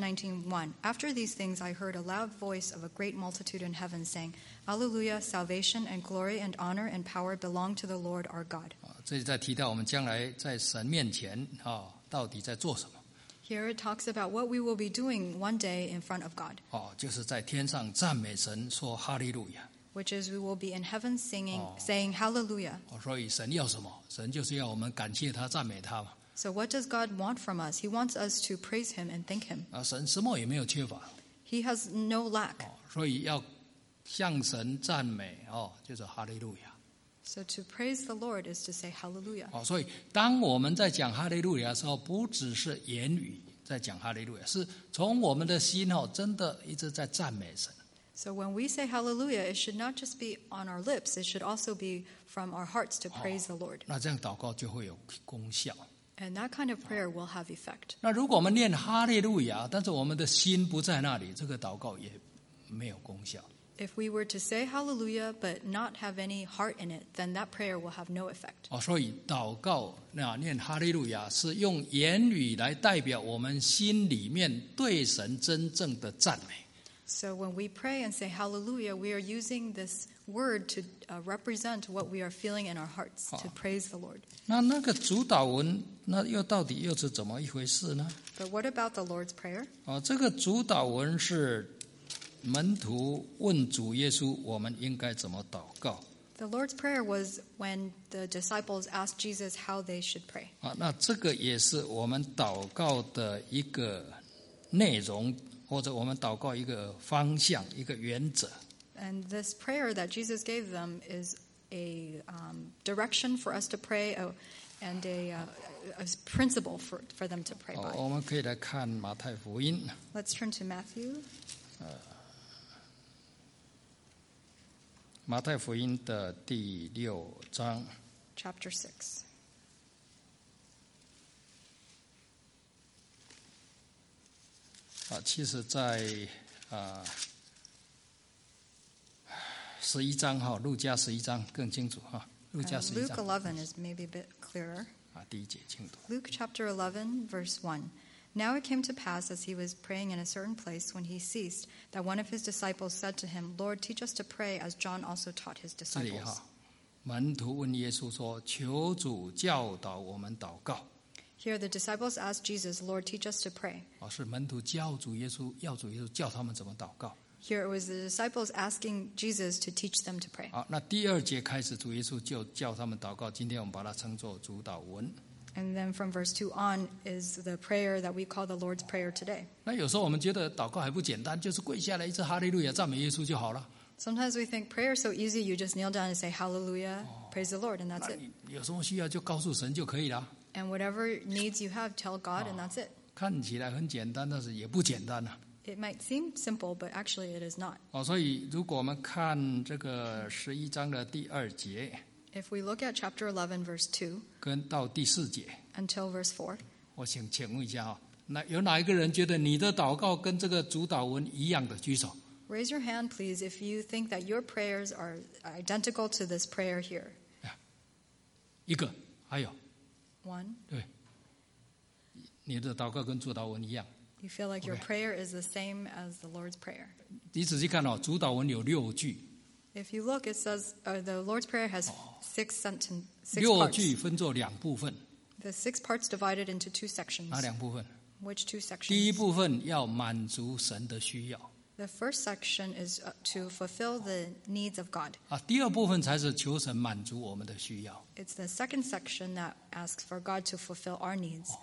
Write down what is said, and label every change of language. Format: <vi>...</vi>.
<en>19:1 After these things I heard a loud voice of a great multitude in heaven saying Alleluia, salvation and glory and honor and power belong to the Lord our God.</en> <zh>这里在提到我们将来在神面前、哦、到底在做什么</zh> <en>Here it talks about what we will be doing one day in front of God.、</en> <zh>哦、就是在天上赞美神说哈利路亚</zh> <en>Which is we will be in heaven singing, saying hallelujah.</en> <zh>所以神要什么？神就是要我们感谢他，赞美他。</zh> <en>So what does God want from us? He wants us to praise him and thank him.</en> <zh>神什么也没有缺乏。</zh> <en>He has no lack.</en> <zh>所以要向神赞美，就是hallelujah。</zh> <en>So to praise the Lord is to say hallelujah.</en> <zh>所以当我们在讲hallelujah的时候，不只是言语在讲hallelujah，是从我们的心真的一直在赞美神。</zh> <en>So when we say hallelujah, it should not just be on our lips, it should also be from our hearts to praise the Lord.</en> <zh>那这样祷告就会有功效。</zh> <en>And that kind of prayer will have effect.</en> <zh>那如果我们念哈利路亚，但是我们的心不在那里，这个祷告也没有功效。</zh> <en>If we were to say hallelujah, but not have any heart in it, then that prayer will have no effect.</en> <zh>所以祷告，那念哈利路亚，是用言语来代表我们心里面对神真正的赞美。</zh> <en>So when we pray and say hallelujah, we are using this word to represent what we are feeling in our hearts to praise the Lord.</en> <zh>那个主导文，那又到底又是怎么一回事呢</zh> <en>？But what about the Lord's prayer?</en> <zh>这个主导文是门徒问主耶稣，我们应该怎么祷告</zh> <en>？The Lord's prayer was when the disciples asked Jesus how they should pray.</en> <zh>那这个也是我们祷告的一个内容。或者我们祷告一个方向，一个原则。</zh> <en>And this prayer that Jesus gave them is a direction for us to pray, and a principle for them to pray by.</en> <zh>我们可以来看马太福音。</zh> <en>Let's turn to Matthew.</en> <zh>马太福音的第六章。</zh> <en>Chapter 6.</en> <zh>其实在十一章哈，路加十一章更清楚哈。路加十一章。</zh> <en>Luke 11 is maybe a bit clearer.</en> <zh>第一节清楚。</zh> <en>Luke chapter 11 verse 1. Now it came to pass as he was praying in a certain place when he ceased that one of his disciples said to him, "Lord, teach us to pray as John also taught his disciples."</en> <zh>这里哈，门徒问耶稣说：“求主教导我们祷告。”</zh> <en>Here the disciples asked Jesus, "Lord, teach us to pray."</en> <zh>是门徒教主耶稣，要主耶稣教他们怎么祷告。</zh> <en>Here it was the disciples asking Jesus to teach them to pray.</en> <zh>那第二节开始，主耶稣就教他们祷告。今天我们把它称作主导文。</zh> <en>And then from verse 2 on is the prayer that we call the Lord's prayer today.</en> <zh>那有时候我们觉得祷告还不简单，就是跪下来一直哈利路亚赞美耶稣就好了。</zh> <en>Sometimes we think prayer is so easy, you just kneel down and say Hallelujah, praise the Lord, and that's it.</en> <zh>有什么需要就告诉神就可以了。</zh> <en>And whatever needs you have, tell God, and that's it.</en> <zh>看起来很简单，但是也不简单啊。</zh> <en>It might seem simple, but actually it is not.</en> <zh>所以如果我们看这个十一章的第二节</zh> <en>，If we look at chapter 11, verse 2,</en> <zh>跟到第四节</zh> <en>，until verse 4,</en> <zh>我想请问一下那有哪一个人觉得你的祷告跟这个主导文一样的举手</zh> <en>？Raise your hand, please, if you think that your prayers are identical to this prayer here.</en> <zh>一个，还有。</zh> <en>One.</en> <zh>对，你的祷告跟主导文一样。</zh> <en>You feel like your prayer is the same as the Lord's prayer.</en> <zh>你仔细看哦，主导文有六句。</zh> <en>If you look, it says the Lord's Prayer has six sentences.</en> <zh>6句分作2部分。</zh> <en>The 6 parts divided into 2 sections.</en> <zh>哪2部分?</zh> <en>Which 2 sections?</en> <zh>第一部分要满足神的需要。</zh> <en>The first section is to fulfill the needs of God.</en> <zh>第二部分才是求神满足我们的需要。</zh> <en>It's the second section that asks for God to fulfill our needs.</en>